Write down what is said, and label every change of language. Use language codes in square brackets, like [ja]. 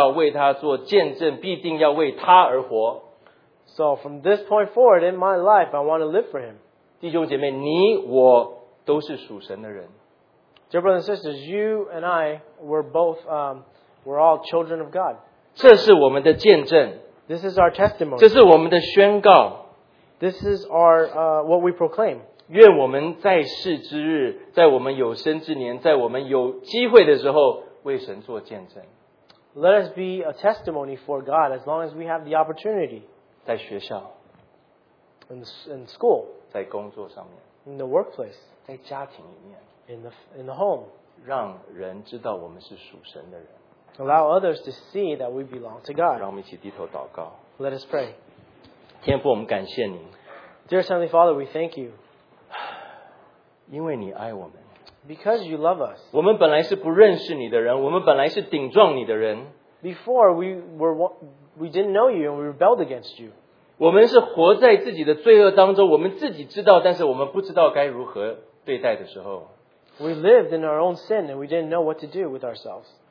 [zh] 我今生今世必定要为他做见证，必定要为他而活。 [en] So from this point forward in my life, I want to live for Him. [zh] 弟兄姐妹，你我都是属神的人。 [en] Dear brothers and sisters, you and I were both, we're all children of God. [zh] 这是我们的见证, [en] this is our testimony. [zh] 这是我们的宣告, [en] this is our, what we proclaim. [zh] 愿我们在世之日, 在我们有生之年, 在我们有机会的时候, 为神做见证。 [en] Let us be a testimony for God as long as we have the opportunity. [zh] 在学校, [en] in school, [zh] 在工作上面, [en] in the workplace, [zh] 在家庭里面, [en] In the home. [zh] 让人知道我们是属神的人。 [en] Allow others to see that we belong to God. [zh] 让我们一起低头祷告。 [en] Let us pray. [zh] 天父，我们感谢您。 [en] Dear Heavenly Father, we thank you. [zh] 因为你爱我们。 [en] Because you love us. [zh] 我们本来是不认识你的人，我们本来是顶撞你的人。 [en] Before we didn't know you and we rebelled against you. [zh] 我们是活在自己的罪恶当中，我们自己知道，但是我们不知道该如何对待的时候。 [en] We lived in our own sin and we didn't know what to do with ourselves.